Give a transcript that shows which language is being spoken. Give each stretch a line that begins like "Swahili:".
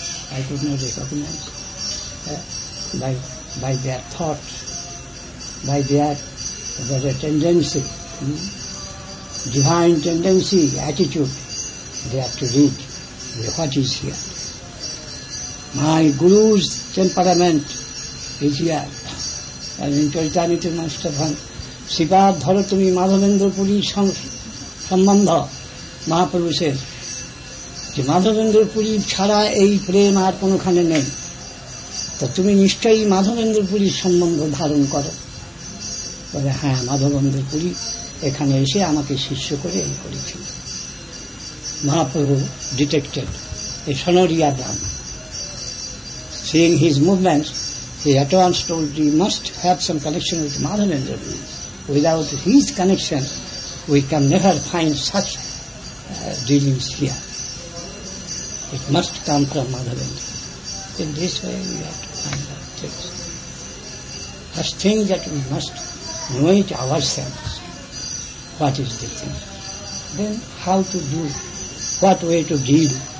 English: I could not recognize by their thoughts, by their tendency, divine tendency, attitude, they have to read what is here. My Guru's temperament is here. And in Chaitanya Master Bhagavan, Sipad Bharatami Madhavendra Puri Sambandha Mahaprabhu says,
Bangla: যে মাধবেন্দ্র পুরীর ছাড়া এই প্রেম আর কোনোখানে নেই, তা তুমি নিশ্চয়ই মাধবেন্দ্র পুরীর সম্বন্ধ ধারণ করো। বলে হ্যাঁ, মাধবেন্দ্র পুরী এখানে এসে আমাকে শিষ্য করে এই করেছিল।
English: Mahaprabhu detected a Sanodiya brahmin, seeing his movements he at once told you must have some connection with Madhavendra Puri, without his connection we can never find such dealings here. It must come from Madhavendra. In this way we have to find that things. First thing that we must know it ourselves. What is the thing? Then how to do? What way to deal?